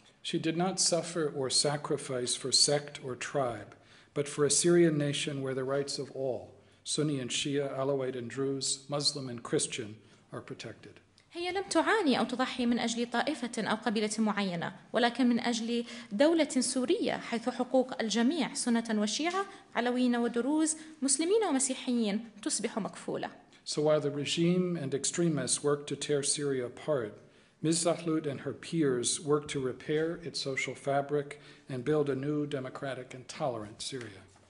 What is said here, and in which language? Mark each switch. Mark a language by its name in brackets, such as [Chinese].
[English] She did not suffer or sacrifice for sect or tribe, but for a Syrian nation where the rights of all, Sunni and Shia, Alawite and Druze, Muslim and Christian, are protected. [Arabic] هي لم تعاني أو تضحي من أجل طائفة أو قبيلة معينة، ولكن من أجل دولة سورية حيث حقوق الجميع سنة وشيعة، علويين ودروز، مسلمين ومسيحيين تصبح مكفولة. [English] So while the regime and extremists work to tear Syria apart, Ms. Zahlout and her peers work to repair its social fabric and build a new democratic and tolerant Syria.